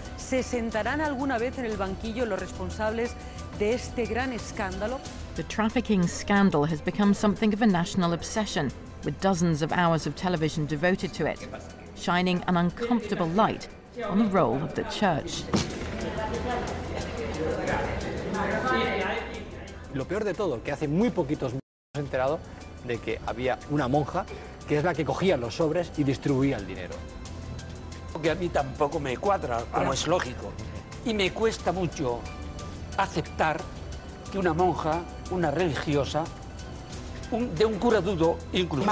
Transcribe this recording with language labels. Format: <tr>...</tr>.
<es>¿Se sentarán alguna vez en el banquillo los responsables de este gran escándalo?</es> <en>The trafficking scandal has become something of a national obsession, with dozens of hours of television devoted to it, shining an uncomfortable light on the role of the church.</en> <es>Lo peor de todo, que hace muy poquitos meses hemos enterado de que había una monja que es la que cogía los sobres y distribuía el dinero. Que a mí tampoco me cuadra, como es lógico. Y me cuesta mucho aceptar que una monja, una religiosa, de un cura dudo, incluso.</es>